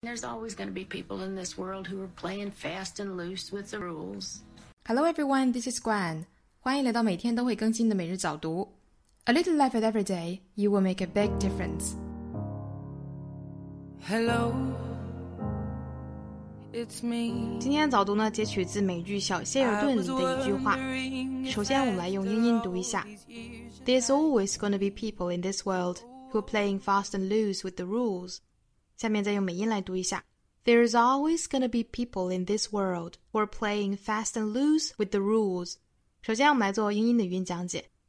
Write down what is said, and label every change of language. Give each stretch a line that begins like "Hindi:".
English: There's always going to be people in this world who are playing fast and loose with the rules. Hello everyone, this is Gwen.
Chinese: 欢迎来到每天都会更新的每日早读。
English: A little life at every day, you will make a big difference. Hello, it's me.
Chinese: 今天早读呢，截取自美剧《小谢尔顿》里的一句话。首先，我们来用英音读一下。
English: There's always going to be people in this world who are playing fast and loose with the rules.
Chinese: 下面再用美音来读一下。
English: There's always going to be people in this world who are playing fast and loose with the rules.
Chinese: 首先，我们来做英音的语音讲解。